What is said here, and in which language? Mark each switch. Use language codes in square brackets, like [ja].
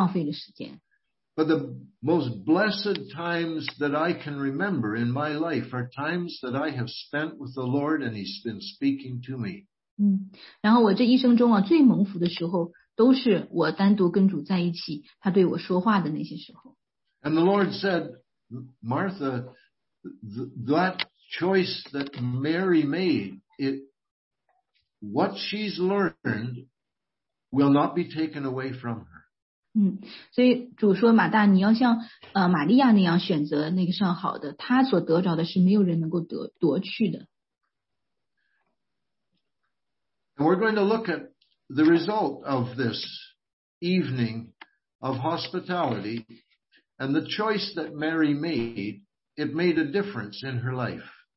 [zh] 我就意识到其实我花了很多时间在一些其实根本不重要的事情上，其实最后我在这些事情上都浪费了时间。 [en] But the most blessed times that I can remember in my life are times that I have spent with the Lord and he's been speaking to me. [zh] 然后我这一生中最蒙福的时候都是我单独跟主在一起，他对我说话的那些时候。 [en] And the Lord said, Martha, that choice that Mary made, what she's learned will not be taken away from her. [zh] 所以主说，马大，你要像玛利亚那样选择那个上好的，她所得着的是没有人能够夺去的。 [en] And we're going to look at the result of this evening of hospitality. And the choice that Mary made, it made a difference in her life.